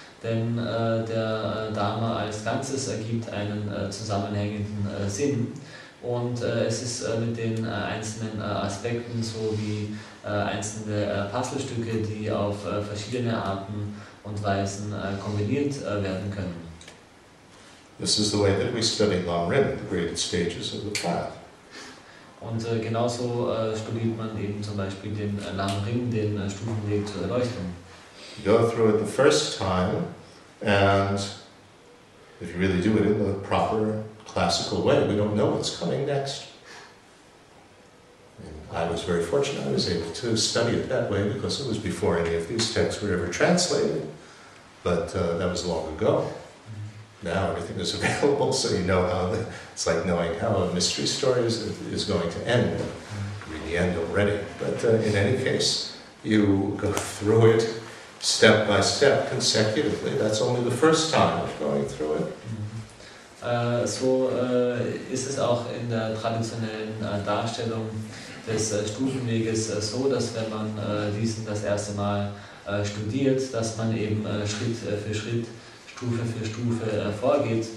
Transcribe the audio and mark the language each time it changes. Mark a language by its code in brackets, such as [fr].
[de] Denn der Dharma als Ganzes ergibt einen zusammenhängenden Sinn. Und es ist mit den einzelnen Aspekten so wie einzelne Puzzlestücke, die auf verschiedene Arten und Weisen kombiniert werden können. [en] This is the way that we study Lamrim, the graded stages of the path. [de] Und genauso studiert man eben zum Beispiel den Lamrim, den Stufenweg zur Erleuchtung. [en] You go through it the first time, and if you really do it in the proper classical way, we don't know what's coming next. I was very fortunate, I was able to study it that way because it was before any of these texts were ever translated. But that was long ago. Now everything is available, so you know how it's like knowing how a mystery story is going to end. We're in the end already. But in any case, you go through it step by step consecutively. That's only the first time of going through it. [de] So ist es auch in der traditionellen Darstellung des Stufenweges so, dass wenn man diesen das erste Mal studiert, dass man eben Schritt für Schritt, Stufe für Stufe vorgeht.